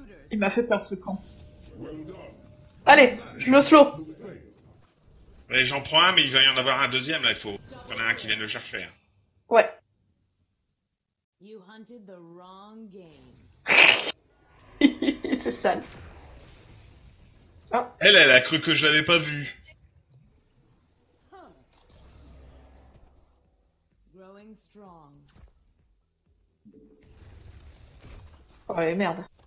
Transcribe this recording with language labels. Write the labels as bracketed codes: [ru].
[fr] Il m'a fait peur ce camp. Allez, je le slow. Mais j'en prends un, mais il va y en avoir un deuxième là. Il faut qu'on ait un qui vienne le chercher. Ouais. [en] You hunted the wrong game. [fr] C'est sale. Oh. Elle a cru que je l'avais pas vue. [en] Growing strong. [fr] Ouais, merde.